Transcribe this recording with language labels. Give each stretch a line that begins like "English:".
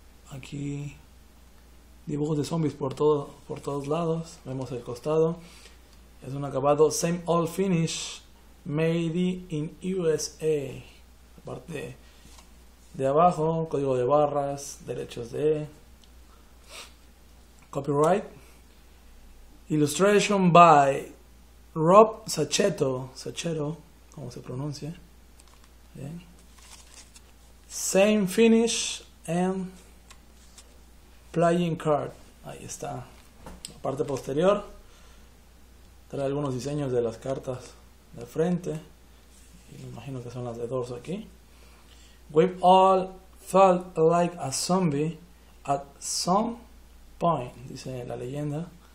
Spanish: Aquí dibujos de zombies por todos lados. Vemos el costado. Es un acabado
English: same old finish made in USA.
Spanish: La parte de abajo, código de barras, derechos de copyright.
English: Illustration by Rob Sachetto.
Spanish: Sachetto, ¿cómo se pronuncia? Bien.
English: Same finish and playing card.
Spanish: Ahí está. La parte posterior trae algunos diseños de las cartas de frente. Y me imagino que son las de dorso aquí.
English: We've all felt like a zombie at some point,
Spanish: dice la leyenda.